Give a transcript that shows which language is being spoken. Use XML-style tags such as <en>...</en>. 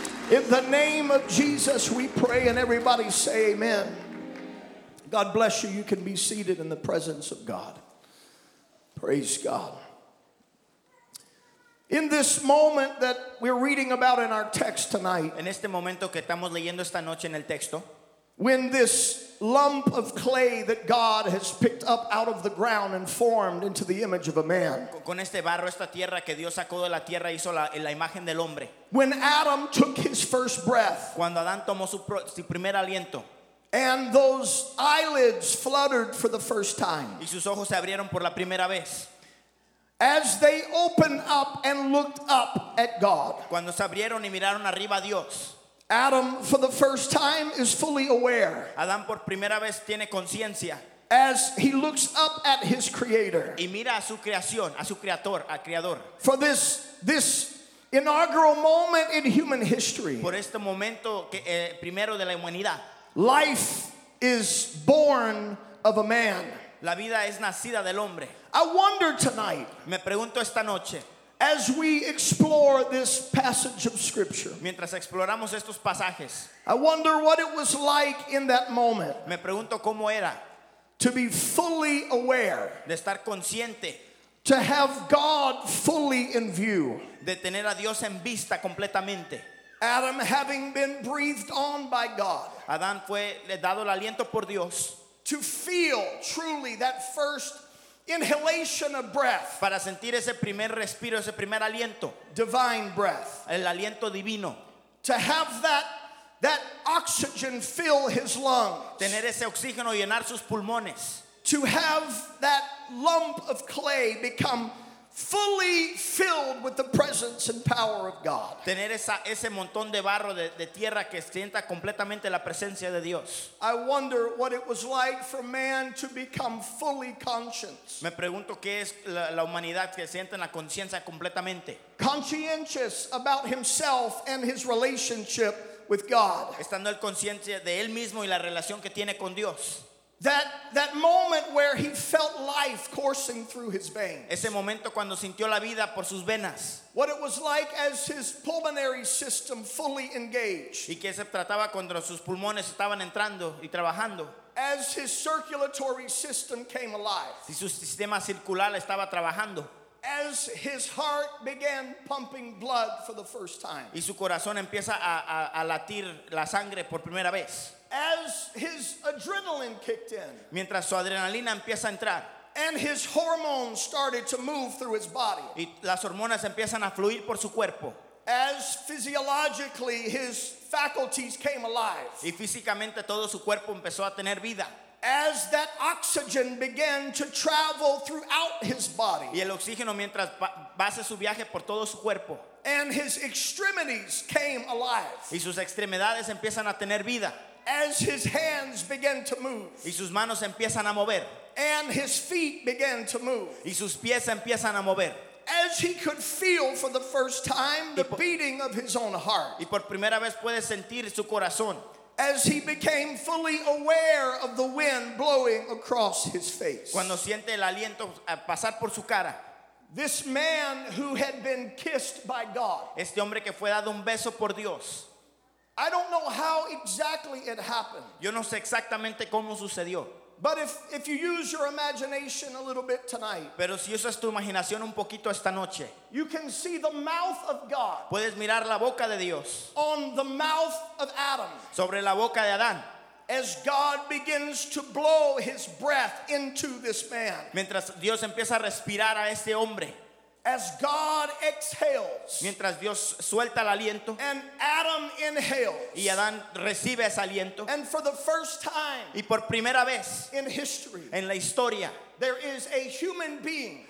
<en>In the name of Jesus, we pray, and everybody say amen. God bless you. You can be seated in the presence of God. Praise God. In this moment that we're reading about in our text tonight,</en> <es>en este momento que estamos leyendo esta noche en el texto,</es> <en>when this lump of clay that God has picked up out of the ground and formed into the image of a man,</en> <es>con este barro, esta tierra que Dios sacó de la tierra, hizo la, la imagen del hombre,</es> <en>when Adam took his first breath,</en> <es>cuando Adán tomó su, su primer aliento,</es> <en>and those eyelids fluttered for the first time,</en> <es>y sus ojos se abrieron por la primera vez,</es> <en>as they opened up and looked up at God.</en> <es>Cuando se abrieron y miraron arriba a Dios.</es> <en>Adam, for the first time, is fully aware.</en> <es>Adán por primera vez tiene conciencia.</es> <en>As he looks up at his creator.</en> <es>Y mira a su creación, a su creator, a creador.</es> <en>For this inaugural moment in human history.</en> <es>Por este momento que, primero de la humanidad.</es> <en>Life is born of a man.</en> <es>La vida es nacida del hombre.</es> <en>I wonder tonight,</en> <es>me pregunto esta noche,</es> <en>as we explore this passage of scripture,</en> <es>mientras exploramos estos pasajes,</es> <en>I wonder what it was like in that moment,</en> <es>me pregunto cómo era,</es> <en>to be fully aware,</en> <es>de estar consciente,</es> <en>to have God fully in view,</en> <es>de tener a Dios en vista completamente.</es> <en>Adam having been breathed on by God,</en> <es>Adán fue le dado el aliento por Dios,</es> <en>to feel truly that first inhalation of breath.</en> <es>Para sentir ese primer respiro, ese primer aliento.</es> <en>Divine breath.</en> <es>El aliento divino.</es> <en>To have that That oxygen fill his lungs.</en> <es>Tener ese oxígeno y llenar sus pulmones.</es> <en>To have that lump of clay become fully filled with the presence and power of God.</en> <es>Tener ese montón de barro de tierra que sienta completamente la presencia de Dios.</es> <en>I wonder what it was like for man to become fully conscious.</en> <es>Me pregunto qué es la humanidad que sienta la conciencia completamente.</es> <en>Conscientious about himself and his relationship with God.</en> <es>Estando el consciente de él mismo y la relación que tiene con Dios.</es> <en>That moment where he felt life coursing through his veins.</en> <es>Ese momento cuando sintió la vida por sus venas.</es> <en>What it was like as his pulmonary system fully engaged.</en> <es>Y que se trataba cuando sus pulmones estaban entrando y trabajando.</es> <en>As his circulatory system came alive.</en> <es>Y su sistema circular estaba trabajando.</es> <en>As his heart began pumping blood for the first time.</en> <es>Y su corazón empieza a latir la sangre por primera vez.</es> <en>As his adrenaline kicked in.</en> <es>Mientras su adrenalina empieza a entrar.</es> <en>And his hormones started to move through his body.</en> <es>Y las hormonas empiezan a fluir por su cuerpo.</es> <en>As physiologically his faculties came alive.</en> <es>Y físicamente todo su cuerpo empezó a tener vida.</es> <en>As that oxygen began to travel throughout his body.</en> <es>Y el oxígeno mientras hace su viaje por todo su cuerpo.</es> <en>And his extremities came alive.</en> <es>Y sus extremidades empiezan a tener vida.</es> <en>As his hands began to move.</en> <es>Y sus manos empiezan a mover.</es> <en>And his feet began to move.</en> <es>Y sus pies empiezan a mover.</es> <en>As he could feel for the first time the beating of his own heart.</en> <es>Y por primera vez puede sentir su corazón.</es> <en>As he became fully aware of the wind blowing across his face.</en> <es>Cuando siente el aliento pasar por su cara.</es> <en>This man who had been kissed by God.</en> <es>Este hombre que fue dado un beso por Dios.</es> <en>I don't know how exactly it happened.</en> <es>Yo no sé exactamente cómo sucedió.</es> <en>But if you use your imagination a little bit tonight.</en> <es>Pero si usas tu imaginación un poquito esta noche.</es> <en>You can see the mouth of God.</en> <es>Puedes mirar la boca de Dios.</es> <en>On the mouth of Adam.</en> <es>Sobre la boca de Adán.</es> <en>As God begins to blow his breath into this man.</en> <es>Mientras Dios empieza a respirar a este hombre.</es> <en>As God exhales,</en> <es>mientras Dios suelta el aliento,</es> <en>and Adam inhales,</en> <es>y Adán recibe ese aliento,</es> <en>and for the first time,</en> <es>y por primera vez,</es> <en>in history,</en> <es>en la historia,</es> <en>there is a human being,</en>